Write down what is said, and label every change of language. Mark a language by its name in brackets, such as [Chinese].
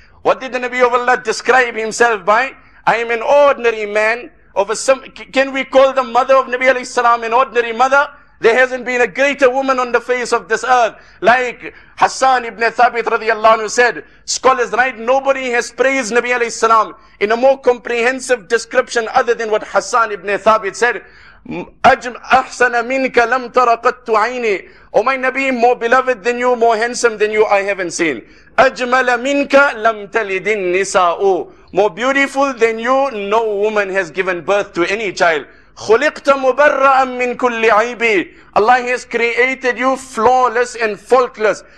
[English] What did the Nabi of Allah describe himself by? I am an ordinary man of a can we call the mother of Nabi alayhi salam an ordinary mother? There hasn't been a greater woman on the face of this earth. Like Hassan ibn Thabit radiallahu anhu said, scholars write, nobody has praised Nabi alayhi salam in a more comprehensive description other than what Hassan ibn Thabit said. [Arabic] أجم أحسن منك لم تر قط عيني. [English] Oh my Nabi, more beloved than you, more handsome than you, I haven't seen. [Arabic] أجمل منك لم تلد النساء. [English] More beautiful than you, no woman has given birth to any child. [Arabic] خلقت مبرأ من كل عيب. [English] Allah has created you flawless and faultless.